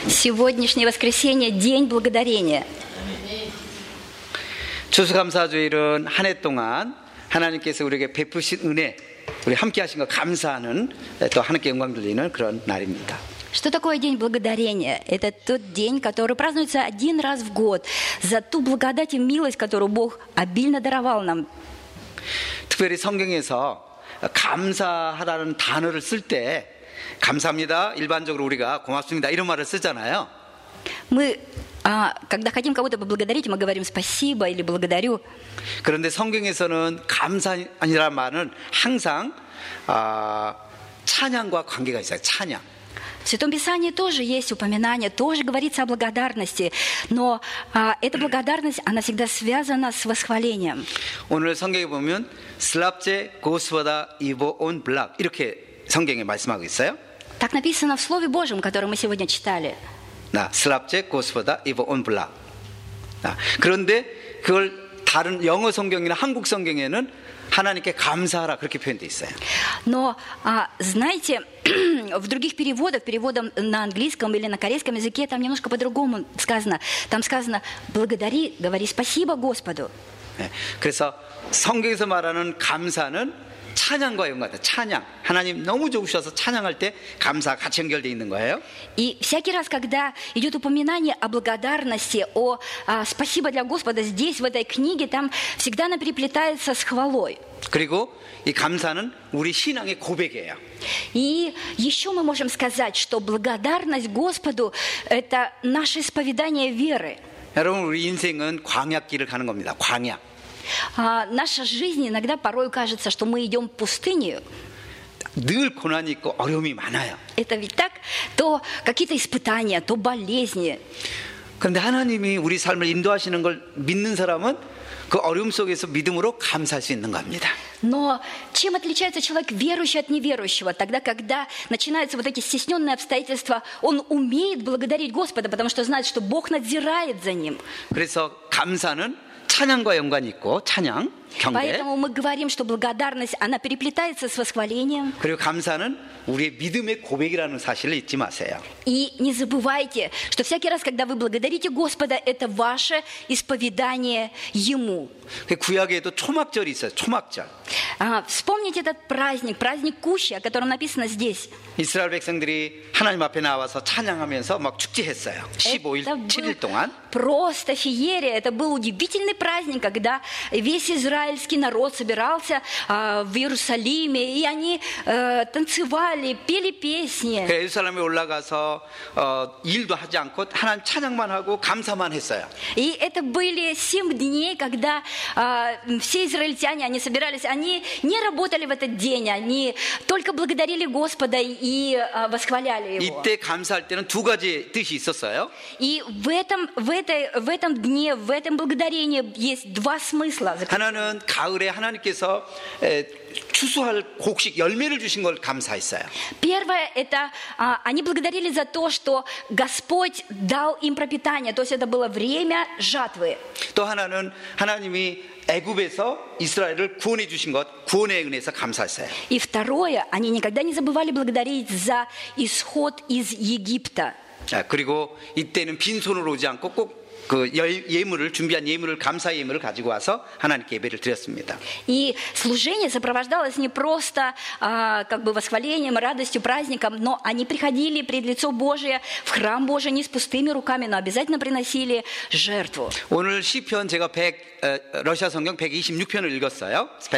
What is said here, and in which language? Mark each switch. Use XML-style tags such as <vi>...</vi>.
<ru>сегодняшнее воскресенье – день благодарения.</ru> <ko>추수감사주일은 한 해 동안 하나님께서 우리에게 베푸신 은혜, 우리 함께 하신 거 감사하는 또 하나님께 영광 돌리는 그런 날입니다.</ko> <ru>Что такое день благодарения? Это тот день, который празднуется один раз в год за ту благодать и милость, которую Бог обильно даровал нам.</ru> <ko>특별히 성경에서 감사하다는 단어를 쓸 때 감사합니다. 일반적으로 우리가 고맙습니다 이런 말을 쓰잖아요.</ko> <ru>Когда хотим кого-то поблагодарить, мы говорим спасибо или благодарю.</ru> <ko>그런데 성경에서는 감사하다는 말은 항상 찬양과 관계가 있어요. 찬양.</ko> <ru>В Святом Писании тоже есть упоминание, тоже говорится о благодарности, но эта благодарность, она всегда связана с восхвалением.</ru> <ko>오늘 성경에 보면</ko> <ru>슬랍제 고스보다 입어온 블락</ru> <ko>이렇게 성경에 말씀하고 있어요.</ko> <ru>Так написано в Слове Божьем, которое мы сегодня читали.</ru> <ko>나</ko> <ru>슬랍제 고스보다 입어온 블락.</ru> <ko>그런데 그걸 다른 영어 성경이나 한국 성경에는 하나님께 감사하라 그렇게 표현돼 있어요.</ko> <ru>Но знаете, в других переводах, переводом на английском или на корейском языке там немножко по-другому сказано. Там сказано: благодари, говори спасибо Господу.</ru> <ko>네, 그래서 성경에서 말하는 감사는 찬양과 연관돼. 찬양. 하나님 너무 좋으셔서 찬양할 때 감사 같이 연결돼 있는 거예요.</ko> <ru>И всякий раз, когда идет упоминание о благодарности, о спасибо для Господа здесь в этой книге, там всегда она переплетается с хвалой.</ru> <ko>그리고 이 감사는 우리 신앙의 고백이에요.</ko> <ru>И еще мы можем сказать, что благодарность Господу – это наше исповедание веры.</ru> <ko>여러분, 우리 인생은 광야길을 가는 겁니다. 광야.</ko> <ru>Наша жизнь иногда порой кажется, что мы идем пустыню.</ru> <ko>늘 고난이 있고 어려움이 많아요.</ko> <ru>Это ведь так? То какие-то испытания, то болезни.</ru> <ko>그런데 하나님이 우리 삶을 인도하시는 걸 믿는 사람은 그 어려움 속에서 믿음으로 감사할 수 있는 겁니다.</ko> <ru>Но чем отличается человек верующий от неверующего? Тогда, когда начинаются вот эти стесненные обстоятельства, он умеет благодарить Господа, потому что знает, что Бог надзирает за ним.</ru> <ko>그래서 감사는 찬양과 연관이 있고 찬양, 경배.</ko> <ru>Поэтому мы говорим, что благодарность она переплетается с восхвалением.</ru> <ko>그리고 감사는 우리의 믿음의 고백이라는 사실을 잊지 마세요.</ko> <ru>И не забывайте, что всякий раз, когда вы благодарите Господа, это ваше исповедание Ему.</ru> <ko>구약에도 초막절이 있어요. 초막절.</ko> <ru>Вспомните этот праздник, праздник Кущи, о котором написано здесь.</ru> <ko>이스라엘 백성들이 하나님 앞에 나와서 찬양하면서 막 축제했어요. 15일, 7일 동안.</ko> <ru>Просто феерия. Это был удивительный праздник, когда весь израильский народ собирался в Иерусалиме, и они танцевали, пели песни.</ru> <ko>그래, 예루살렘에 올라가서 일도 하지 않고 하나님 찬양만 하고 감사만 했어요.</ko> <ru>И это были 7 дней, когда все израильтяне, они собирались, они не работали в этот день, они только благодарили Господа и восхваляли Его.</ru> <ko>이때 감사할 때는 두 가지 뜻이 있었어요.</ko> <ru>И в этом дне, в этом благодарении есть два смысла.</ru> <ko>하나는 가을에 하나님께서 추수할 곡식 열매를 주신 걸 감사했어요.</ko> <ru>Первое это они благодарили за то, что Господь дал им пропитание, то есть это было время жатвы.</ru> <ko>또 하나는 하나님이 애굽에서 이스라엘을 구원해 주신 것, 구원의 은혜에서 감사했어요.</ko> <ru>И второе они никогда не забывали благодарить за исход из Египта.</ru> <ko>그리고 이때는 빈손으로 오지 않고 꼭 그 예물을 준비한 예물을 감사 예물을 가지고 와서 하나님께 예배를 드렸습니다.</ko> <ru>И служение сопровождалось не просто как бы восхвалением, радостью, праздником, но они приходили пред лицо Божие в храм Божий не с пустыми руками, но обязательно приносили жертву.</ru> <ko>오늘 시편 제가 러시아 성경 126편을 읽었어요.</ko>